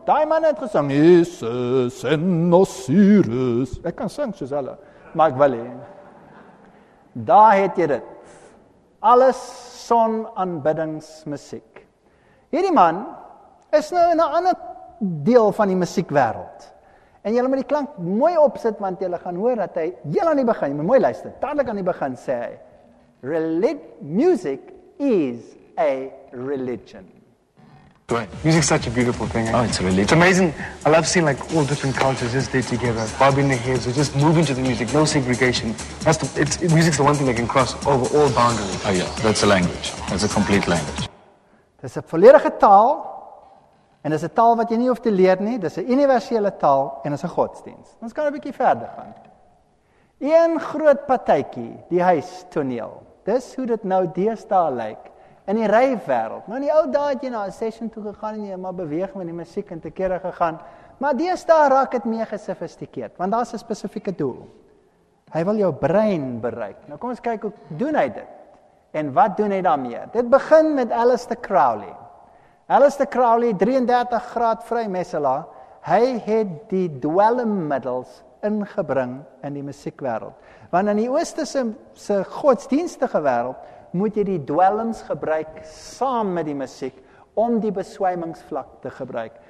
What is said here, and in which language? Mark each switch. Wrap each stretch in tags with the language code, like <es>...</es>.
<af>Daai man het gesing, Isis en Osiris. Ek kan sing soos hulle, maar ek wil nie. Daar het jy dit. Alles son aanbiddingsmusiek. Hierdie man is nou in 'n ander deel van die musiekwêreld. En jy moet die klank mooi opsit, want jy gaan hoor dat hy heel aan die begin, jy moet mooi luister, dadelik aan die begin sê hy,</af> <en>music is a religion. Dwayne, music is such a beautiful thing. Oh, it's a religion. It's amazing. I love seeing like all different cultures just there together, bobbing their heads, or just moving to the music, no segregation. Music's the one thing that can cross over all boundaries. Oh yeah, that's a language. That's a complete language.</en> <af>Dis 'n volledige taal, en dis 'n taal wat jy nie hoef te leer nie, dis 'n universele taal en is 'n godsdienst. Ons kan 'n bietjie verder gaan. Een groot partytjie, die huis toneel. Dis hoe dit nou deesdae lyk in die rave wêreld. Nou in die ou dae het jy na 'n session toe gegaan en jy maar beweeg met die musiek en te kere gegaan. Maar deesdae raak dit meer gesofistikeerd, want daar's 'n spesifieke doel. Hy wil jou brein bereik. Nou kom ons kyk hoe doen hy dit? En wat doen hy daarmee? Dit begin met Aleister Crowley. Aleister Crowley, 33 graad vrymesselaar, hy het die dwelmmiddels ingebring in die musiekwêreld. Want in die oosterse se godsdienstige wêreld moet jy die dwelms gebruik saam met die musiek om die beswymingsvlak te gebruik.</af>